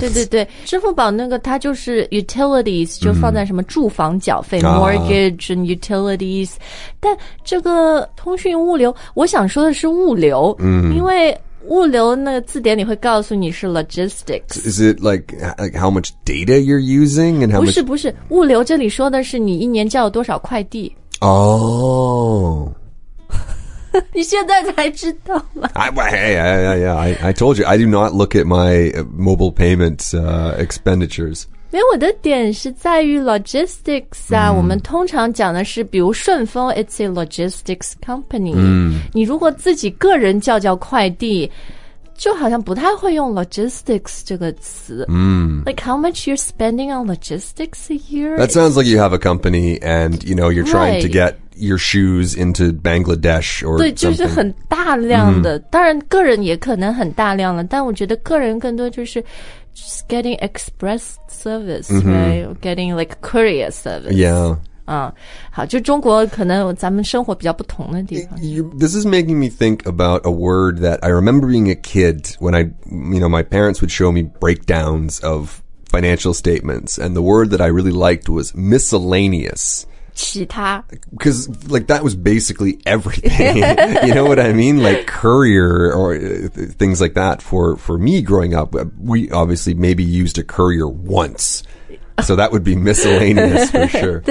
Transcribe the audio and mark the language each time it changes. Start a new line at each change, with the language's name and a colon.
Chinese: 对对对支付宝那个它就是 utilities 就放在什么住房缴费、mortgage and utilities 但这个通讯物流我想说的是物流、因为物流那个字典里会告诉你是 logistics
English: Is it like how much data you're using and how
Chinese: 不是不是物流这里说的是你一年叫了多少快递哦你现在才知道吗
English: I told you, I do not look at my mobile payment expenditures.
Chinese: 没有我的点是在于 logistics 啊、我们通常讲的是比如顺丰
English: it's a logistics company.、
Chinese: 你如果自己个人叫叫快递就好像不太会用 logistics 这个词、
English: Like how much you're spending on logistics a year? That sounds like you have a company and you know, you're trying、 to get your shoes into Bangladesh or
Chinese: 对就是很大量的、当然个人也可能很大量了但我觉得个人更多就是
English: just getting express service、right? Or getting like courier service Yeah.
Chinese: 好，就中国可能咱们生活比较不同的地方。
English: This is making me think about a word that I remember being a kid when I, you know, my parents would show me breakdowns of financial statements, and the word that I really liked was miscellaneous.
Chinese: 其他
English: because like that was basically everything you know what I mean like courier or things like that for me growing up we obviously maybe used a courier once so that would be miscellaneous for sure